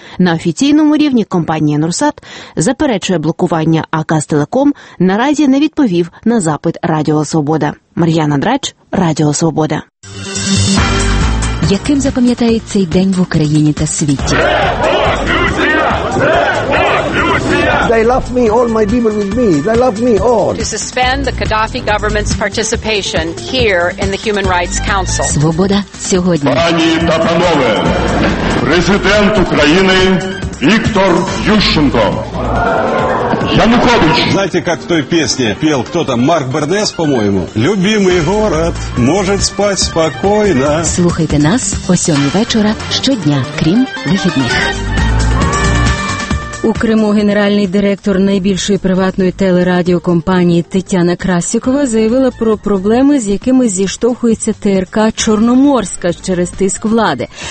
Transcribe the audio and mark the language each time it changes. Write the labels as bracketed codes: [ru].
[uk] На офіційному рівні компанія Нурсат заперечує блокування, а Казтелеком наразі не відповів на запит Радіо Свобода. Мар'яна Драч, Радіо Свобода. Яким запам'ятається цей день в Україні та світі? [en] They love me, all my people with me. They love me, all. To suspend the Gaddafi government's participation here in the Human Rights Council. [uk] Свобода сьогодні. Пані та панове, президент України Віктор Ющенко. Янукович. [ru] Знаете, как в той песне пел кто-то, Марк Бернес, по-моему? Любимый город может спать спокойно. [uk] Слухайте нас о 7 вечора щодня, крім вихідних. У Криму генеральний директор найбільшої приватної телерадіокомпанії Тетяна Красікова заявила про проблеми, з якими зіштовхується ТРК «Чорноморська» через тиск влади.